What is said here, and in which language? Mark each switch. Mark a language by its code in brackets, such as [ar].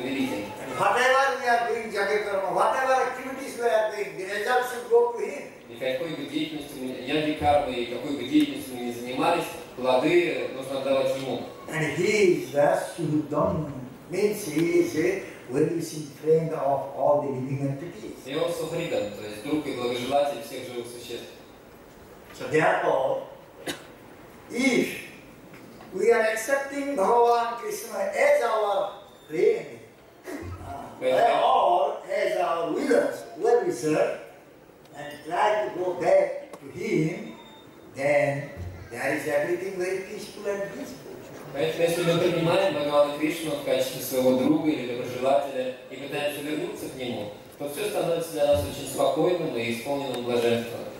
[en] we are doing, jagat karma, whatever activities we are doing, the results should go to him. [ru] И какой бы деятельностью я не кармы и какой бы деятельностью мы не занимались, плоды нужно отдавать ему. [en] And he is the Sudan, means he is a well-wishing friend of all the living entities. [ru] И он Сухридан, то есть друг и благожелатель всех живых существ. [en] So therefore, if we are accepting Bhagavan Krishna as our friend, or as our leader, well wisher, and try to go back to him, then there is everything very peaceful and peaceful. [ru] Поэтому, если мы принимаем Бхагавана Кришну в качестве своего друга или доброжелателя и пытаемся вернуться к нему, то все становится для нас очень спокойным и исполненным блаженства.